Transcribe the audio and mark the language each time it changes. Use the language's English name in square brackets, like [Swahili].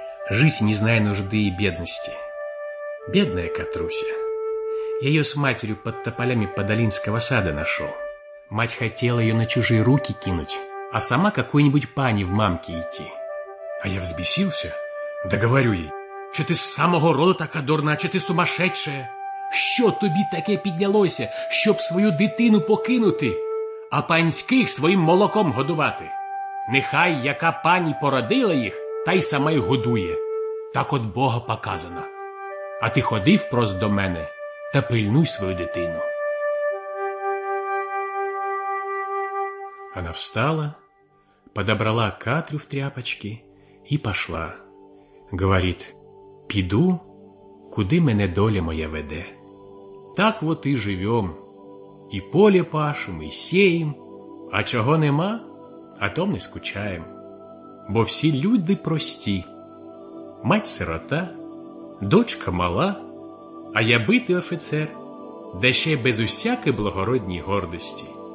[Russian] Жить, не зная нужды и бедности. Бедная Катруся. Я ее с матерью под тополями Подолинского сада нашел. Мать хотела ее на чужие руки кинуть, а сама какой-нибудь пани в мамке идти. А я взбесился. Да говорю ей, что ты с самого рода так одорна, что ты сумасшедшая. [Ukrainian] Что тобі таке піднялося, щоб свою дитину покинути, а панських своим молоком годувати? Нехай яка пані породила їх, та й сама й годує. Так от Бога показано. А ти ходив прост до мене, та пильнуй свою дитину. [Russian] Она встала, подобрала Катрю в тряпочки и пошла. Говорит, [Ukrainian] піду, куди мене доля моя веде. Так от і живем, і поле пашем, і сєєм, а чого нема, а том не скучаєм. Бо всі люди прості, мать сирота, дочка мала, а я битий офіцер, де ще без усякої благородній гордості.